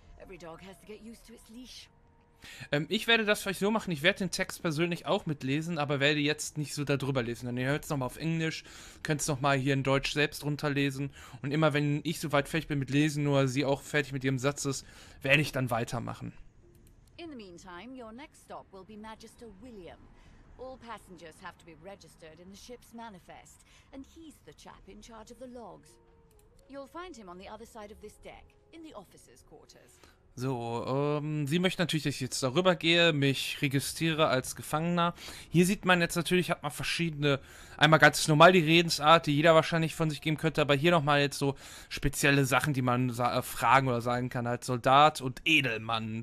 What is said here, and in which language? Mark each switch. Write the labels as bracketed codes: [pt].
[en] Every dog has to get used to its leash. [de] Ich werde das vielleicht so machen, ich werde den Text persönlich auch mitlesen, aber werde jetzt nicht so darüber lesen. Dann ihr hört es nochmal auf Englisch, könnt es nochmal hier in Deutsch selbst runterlesen. Und immer wenn ich soweit fertig bin mit Lesen, nur sie auch fertig mit ihrem Satz ist, werde ich dann weitermachen. [en] In the meantime, your next stop will be Magister William. All passengers have to be registered in the ship's manifest. And he's the chap in charge of the logs. You'll find him on the other side of this deck, in the officers' quarters. [de] So, sie möchte natürlich, dass ich jetzt darüber gehe, mich registriere als Gefangener. Hier sieht man jetzt natürlich, hat man verschiedene, einmal ganz normal die Redensart, die jeder wahrscheinlich von sich geben könnte, aber hier nochmal jetzt so spezielle Sachen, die man fragen oder sagen kann, als Soldat und Edelmann.